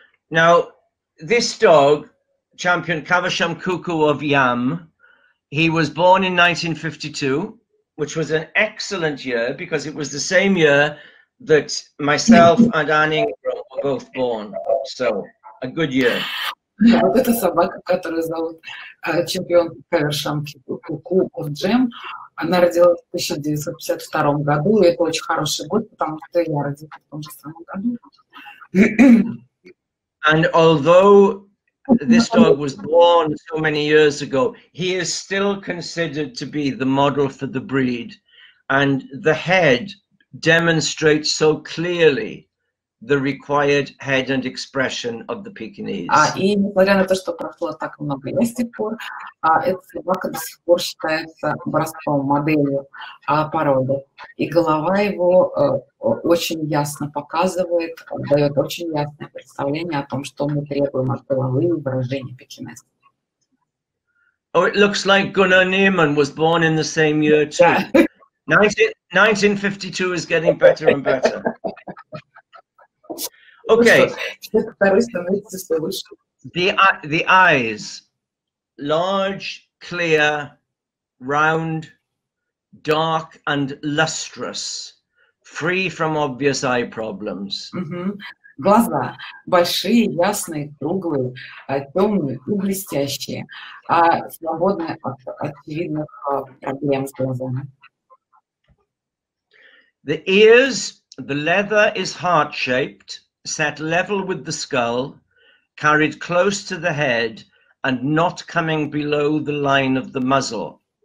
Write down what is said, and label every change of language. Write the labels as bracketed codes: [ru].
[en] Now, this dog, champion Kavasham Cuckoo of Yam, he was born in 1952, which was an excellent year because it was the same year that myself and Anne Ingram were both born. So, a good year. [ru] Вот эта собака, которую зовут чемпион Кавасham Cuckoo of Yam, она родилась в 1952 году, и это очень хороший год, потому что я родилась в том же самом году. [en] And although this dog was born so many years ago, he is still considered to be the model for the breed. And the head demonстrates so clearly the required head and expression of the Pekinese. [ru] И несмотря на то, что прошло так много лет с тех пор, эта собака до сих пор считается образцом моделью породы. И голова его очень ясно показывает, дает очень ясное представление о том, что мы требуем от головы и выражения пекинеса. [en] Oh, it looks like Gunnar Nieman was born in the same year too. 1952 is getting better and better. Okay. The eyes, large, clear, round, dark and lustrous, free from obvious eye problems. [ru] Глаза большие, ясные, круглые, темные и блестящие, а свободны от очевидных проблем с глазами. [en] The ears, the leather is heart-shaped, set level with the skull, carried close to the head, and not coming below the line of the muzzle.